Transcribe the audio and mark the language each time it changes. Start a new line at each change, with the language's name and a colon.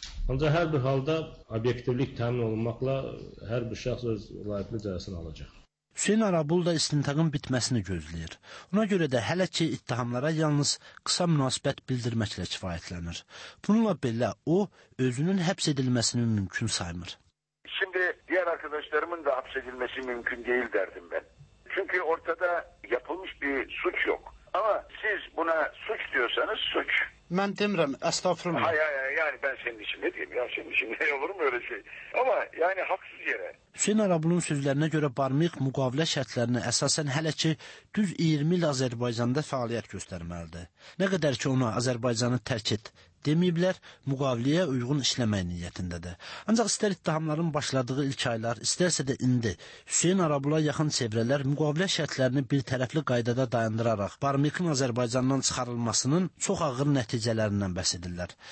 Azerbaijani: Ancaq hər bir halda obyektivlik təmin olunmaqla hər bir şəxs öz layiqli cəzasını alacaq. Hüseyin Arabul da istintaqın bitməsini gözləyir. Ona görə də hələ ki, ittihamlara yalnız qısa münasibət bildirməklə kifayətlənir. Bununla belə o, özünün həbs edilməsini mümkün saymır.
Turkish: Şimdi diğer arkadaşlarımın da
Azerbaijani: həbs edilməsi mümkün deyil
Turkish: derdim ben. Çünkü ortada yapılmış bir suç yok. Ama siz buna suç diyorsanız suç.
Azerbaijani: Mən demirəm, estağfurullah.
Turkish: Hayır, yani ben senin için ne diyeyim ya, senin için ne olur mu? öyle şey. Ama yani haksız yere.
Azerbaijani: Hüseyin Arablu'nun sözlərinə görə Barmiq müqavilə şərtlərini əsasən hələ ki düz 20 il Azərbaycanda fəaliyyət göstərməlidir. Nə qədər ki ona Azərbaycanı tərk et deməyiblər, müqaviləyə uyğun işləmək niyyətindədir. Ancaq istər ittihamların başladığı ilk aylar, istərsə də indi Hüseyin Arablu'ya yaxın çevrələr müqavilə şərtlərini bir tərəfli qaydada dayandıraraq Barmiqin Azərbaycandan çıxarılmasının çox ağır nəticələrindən bəhs edirlər.